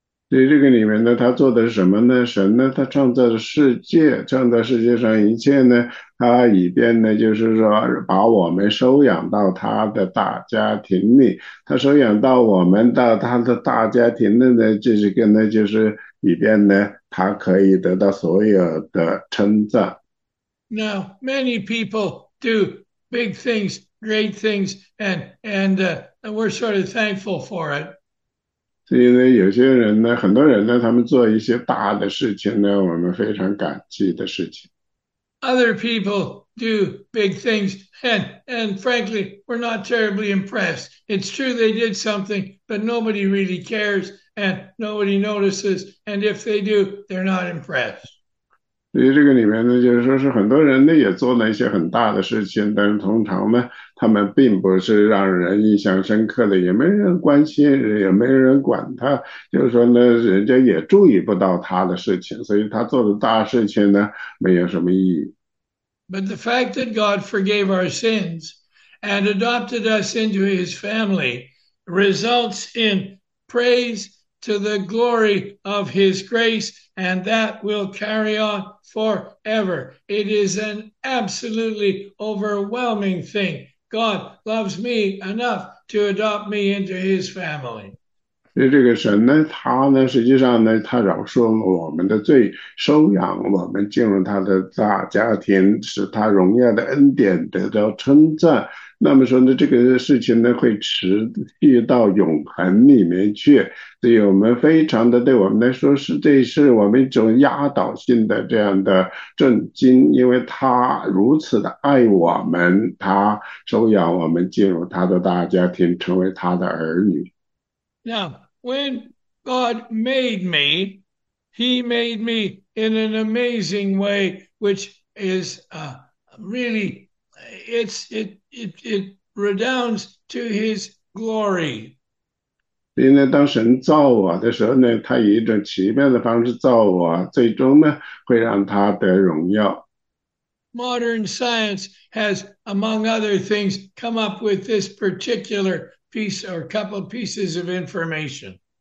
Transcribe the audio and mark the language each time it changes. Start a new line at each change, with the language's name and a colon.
Chinese: 对这个里面呢，他做的是什么呢？神呢，他创造了世界，创造世界上一切呢，他以便呢，就是说把我们收养到他的大家庭里，他收养到我们到他的大家庭的呢，这是跟呢，就是以便呢，他可以得到所有的称赞。
English: Now, many people do big things, great things, and we're sort of thankful for it.
Chinese: 所以呢，有些人呢，很多人呢，他们做一些大的事情呢，我们非常感激的事情。
English: Other people do big things, and frankly, we're not terribly impressed. It's true they did something, but nobody really cares, and nobody notices, and if they do, they're not impressed.
Chinese: 所以这个里面呢，就是说是很多人呢也做了一些很大的事情，但是通常呢，他们并不是让人印象深刻的，也没人关心，也没人管他，就是说呢，人家也注意不到他的事情，所以他做的大事情呢，没有什么意义。
English: But the fact that God forgave our sins and adopted us into his family results in praise to the glory of his grace, and that will carry on forever. It is an absolutely overwhelming thing. God loves me enough to adopt me into his family.
Chinese: 所以这个神呢，他呢，实际上呢，他饶恕了我们的罪，收养我们进入他的大家庭，使他荣耀的恩典得到称赞。那么说呢，这个事情呢，会持续到永恒里面去。所以我们非常的，对我们来说是，这是我们一种压倒性的这样的震惊，因为他如此的爱我们，他收养我们进入他的大家庭，成为他的儿女。
English: Now, when God made me, he made me in an amazing way, which is really it redounds to his glory.
Chinese: 所以呢，当神造我的时候呢，他以一种奇妙的方式造我，最终呢，会让他得荣耀。
English: Modern science has, among other things, come up with this particular piece or a couple of pieces of information.